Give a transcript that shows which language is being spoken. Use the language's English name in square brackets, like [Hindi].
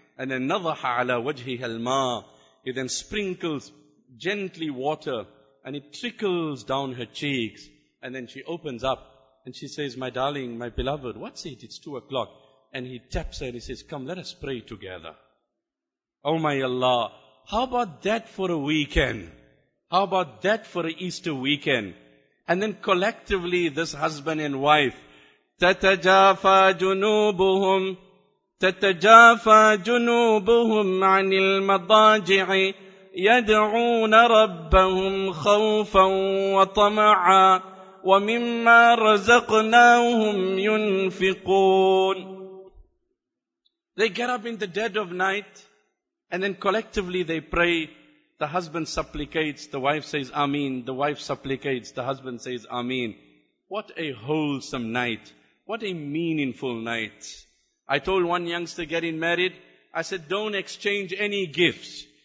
[English] And then [Arabic] nadaha ala wajhihi al-ma, [English] he then sprinkles gently water and it trickles down her cheeks. And then she opens up and she says, my darling, my beloved, what's it? It's 2 o'clock. And he taps her and he says, come, let us pray together. Oh my Allah, how about that for a weekend? How about that for an Easter weekend? And then collectively this husband and wife, [Arabic] tatajafa junubuhum, تَتَجَافَى جُنُوبُهُمْ عَنِ الْمَضَاجِعِ يَدْعُونَ رَبَّهُمْ خَوْفًا وَطَمَعًا وَمِمَّا رَزَقْنَاهُمْ يُنْفِقُونَ. [English] They get up in the dead of night and then collectively they pray. The husband supplicates, the wife says Ameen. The wife supplicates, the husband says Ameen. What a wholesome night. What a meaningful night. I told one youngster getting married, I said, don't exchange any gifts.